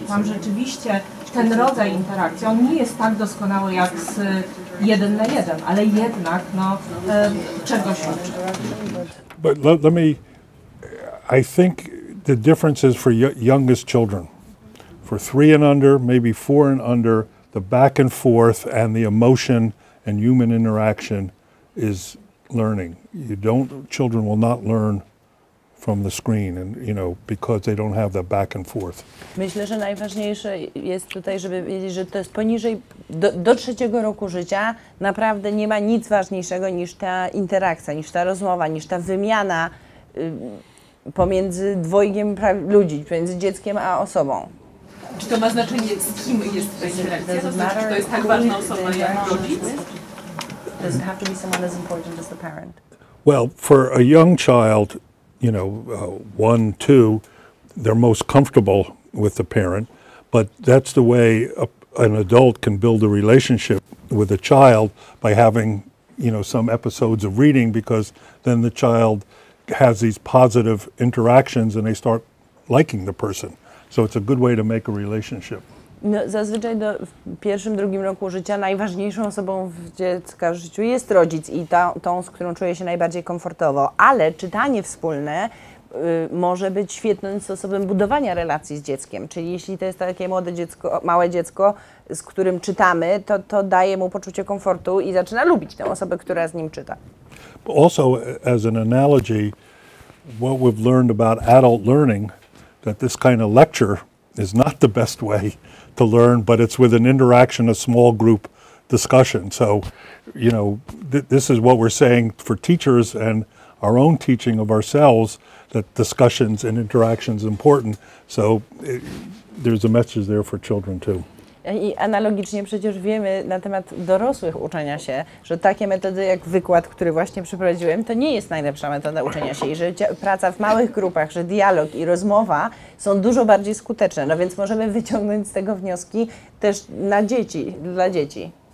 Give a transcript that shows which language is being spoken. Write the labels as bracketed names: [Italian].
[Polish] Tam rzeczywiście ten rodzaj interakcji, on nie jest tak doskonały jak z jeden na jeden, ale jednak no, czegoś uczy. [English] But let me, I think the difference is for youngest children. For three and under, maybe four and under, the back and forth and the emotion and human interaction is learning. Children will not learn from the screen, and you know, because they don't have the back and forth. [Polish] Myślę, że najważniejsze jest tutaj, żeby wiedzieć, że to jest poniżej do trzeciego roku życia. Naprawdę nie ma nic ważniejszego niż ta interakcja, niż ta rozmowa, niż ta wymiana pomiędzy dwojgiem ludzi, między dzieckiem a osobą. Czy to ma znaczenie, z kim jest ta interakcja? To znaczy, czy to jest tak ważna osoba jak rodzic? [English] Does it have to be someone as important as the parent? Well, for a young child, you know, one, two, they're most comfortable with the parent, but that's the way an adult can build a relationship with a child by having, you know, some episodes of reading, because then the child has these positive interactions and they start liking the person. So it's a good way to make a relationship. [Polish] No, zazwyczaj w pierwszym, drugim roku życia najważniejszą osobą w dziecka życiu jest rodzic i tą, z którą czuje się najbardziej komfortowo, ale czytanie wspólne może być świetnym sposobem budowania relacji z dzieckiem, czyli jeśli to jest takie młode dziecko, małe dziecko, z którym czytamy, to daje mu poczucie komfortu i zaczyna lubić tę osobę, która z nim czyta. [English] But also, as an analogy, what we've learned about adult learning, that this kind of lecture is not the best way to learn, but it's with an interaction, a small group discussion. So, you know, this is what we're saying for teachers and our own teaching of ourselves, that discussions and interaction is important. So there's a message there for children too. [Polish] I analogicznie przecież wiemy na temat dorosłych uczenia się, że takie metody jak wykład, który właśnie przeprowadziłem, to nie jest najlepsza metoda uczenia się i że praca w małych grupach, że dialog i rozmowa są dużo bardziej skuteczne. No więc możemy wyciągnąć z tego wnioski też na dzieci, dla dzieci.